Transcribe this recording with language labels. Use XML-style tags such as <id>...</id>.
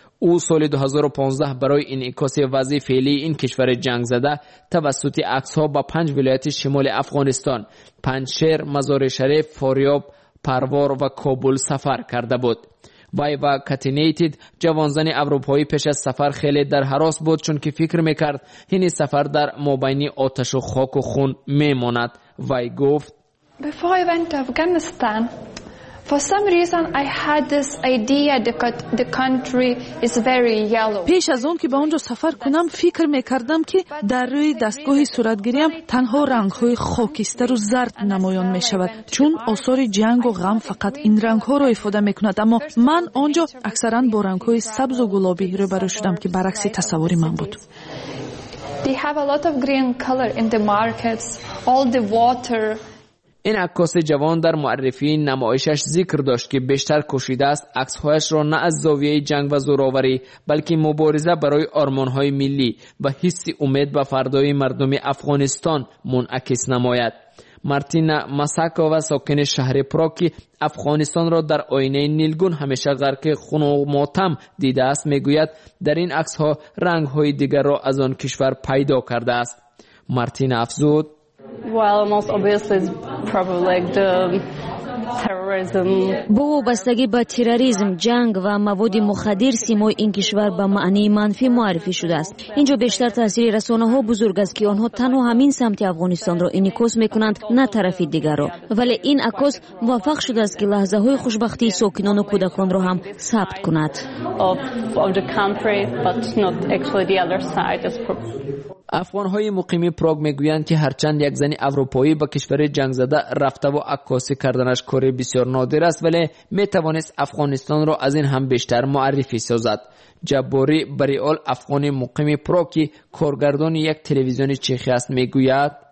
<fa>او سال 2015 برای انعکاس وضع فعلی این کشور جنگ زده توسط عکس ها به 5 ولایت شمال افغانستان، پنجشهر، مزار شریف، فاریاب، پروار و کابل سفر کرده بود. وایوا کاتینیتد، جوانزن اروپایی، پیش از سفر خیلی در هراس بود، چون که فکر میکرد این سفر در مابین آتش و خاک و خون میماند. وای گفت:</fa> <en>Before I went to Afghanistan, for some reason I had this idea that the country is very yellow.</en> <fa>پیش از اون که به اونجا سفر کنم فکر میکردم که در روی دستگاه صورتگیریم تنها رنگ های خاکستر و زرد نمایان میشود، چون آثار جنگ و غم فقط این رنگ ها رو ایفاده میکند، اما من اونجا اکثرا با رنگ های سبز و گلابی روبرو شدم که برعکس تصوری من بود.</fa> <en>They have a lot of green color in the markets, all the water.</en> <fa>این عکاس جوان در معرفی نمایشش ذکر داشت که بیشتر کشیده است عکس‌هایش را نه از زاویه جنگ و زورآوری، بلکه مبارزه برای آرمان‌های ملی و حس امید به فردای مردم افغانستان منعکس نماید. مارتینا ماساکوا، ساکن شهر پراگ، افغانستان را در آینه نیلگون همیشه غرق خون و ماتم دیده است، میگوید در این عکس‌ها رنگ‌های دیگر را از آن کشور پیدا کرده است. مارتینا افزود:</fa> <en>Well, most obviously it's probably like the terrorism.</en> <fa>بو وابستگی به تروریسم، جنگ و مواد مخدر سیمای این کشور به معنی منفی معرفی شده است. اینجا بیشتر تاثیر رسانه‌ها بزرگ است که آنها تنها همین سمت افغانستان را انعکاس می‌کنند، نه طرف دیگر را. ولی این عکاس موفق شده است که لحظه‌های خوشبختی ساکنان و کودکان را هم ثبت کند.</fa> <en>Of the country, but not actually the other side.</en> <fa>افغان‌های مقیم پراگ میگویند که هرچند یک زن اروپایی به کشور جنگ زده رفته و عکاسی کردنش کاری بسیار نادر است، ولی میتوانست افغانستان را از این هم بیشتر معرفی سازد. جباری بریال، افغان مقیم پراگ که کارگردان یک تلویزیون چخی است، میگوید</fa>